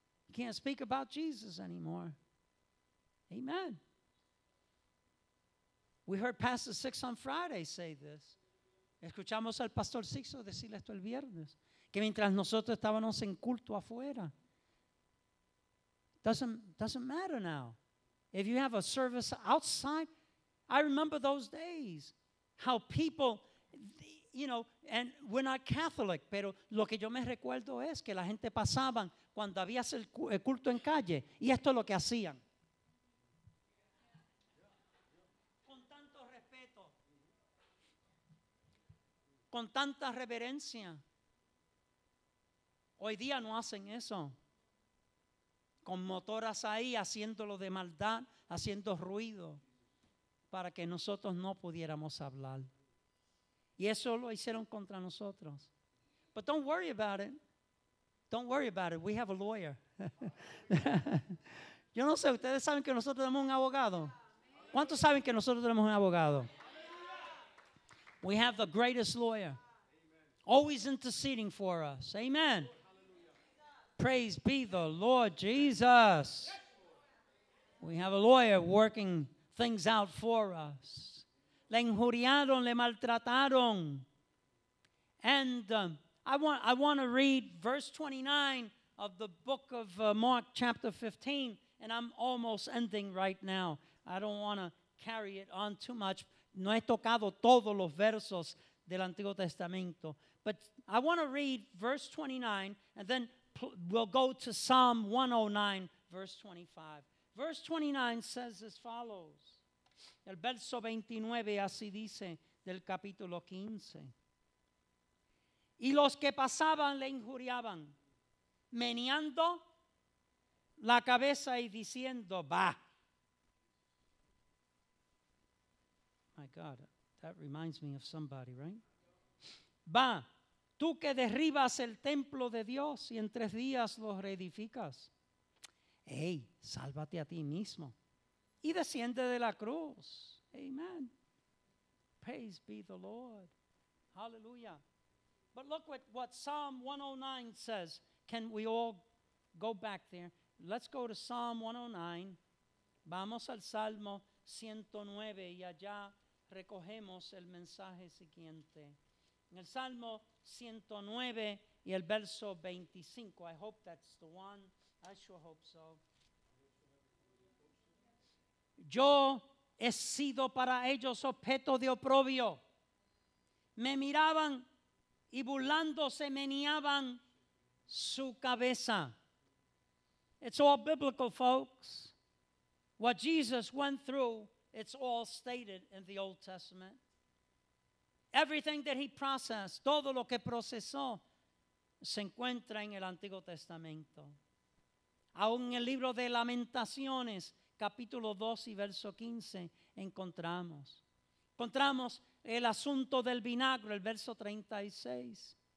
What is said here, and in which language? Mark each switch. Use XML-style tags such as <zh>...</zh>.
<en>You can't speak about Jesus anymore. Amen. We heard Pastor Six on Friday say this.</en> <es>Escuchamos al Pastor Sixo decir esto el viernes. Que mientras nosotros estábamos en culto afuera.</es> <en>Doesn't matter now. If you have a service outside, I remember those days. How people, you know, and we're not Catholic,</en> <es>pero lo que yo me recuerdo es que la gente pasaban cuando había el culto en calle y esto es lo que hacían. Con tanto respeto, con tanta reverencia. Hoy día no hacen eso. Con motoras ahí haciéndolo de maldad, haciendo ruido para que nosotros no pudiéramos hablar. Y eso lo hicieron contra nosotros.</es> <en>But don't worry about it. Don't worry about it. We have a lawyer.</en> <es>Yo no sé, ¿ustedes saben que nosotros tenemos un abogado? ¿Cuántos saben que nosotros tenemos un abogado?</es> <en>We have the greatest lawyer. Always interceding for us. Amen. Praise be the Lord Jesus. We have a lawyer working things out for us.</en> <es>Le injuriaron, le maltrataron.</es> <en>And I want to read verse 29 of the book of Mark chapter 15, and I'm almost ending right now. I don't want to carry it on too much.</en> <es>No he tocado todos los versos del Antiguo Testamento.</es> <en>But I want to read verse 29, and then we'll go to Psalm 109, verse 25. Verse 29 says as follows.</en> <es>El verso 29 así dice del capítulo 15. Y los que pasaban le injuriaban, meneando la cabeza y diciendo, bah.</es> <en>My God, that reminds me of somebody, right?</en> <es>Bah, tú que derribas el templo de Dios y en 3 días lo reedificas. Hey, sálvate a ti mismo. Y desciende de la cruz. Amen.</es> <en>Praise be the Lord. Hallelujah. But look what Psalm 109 says. Can we all go back there? Let's go to Psalm 109.</en> <es>Vamos al Salmo 109 y allá recogemos el mensaje siguiente. En el Salmo 109 y el verso 25.</es> <en>I hope that's the one. I sure hope so.</en> <es>Yo he sido para ellos objeto de oprobio. Me miraban y burlándose meneaban su cabeza.</es> <en>It's all biblical, folks. What Jesus went through, it's all stated in the Old Testament. Everything that he processed,</en> <es>todo lo que procesó, se encuentra en el Antiguo Testamento. Aún en el libro de Lamentaciones, capítulo 2 y verso 15, encontramos Encontramos el asunto del vinagre, el verso 36.</es>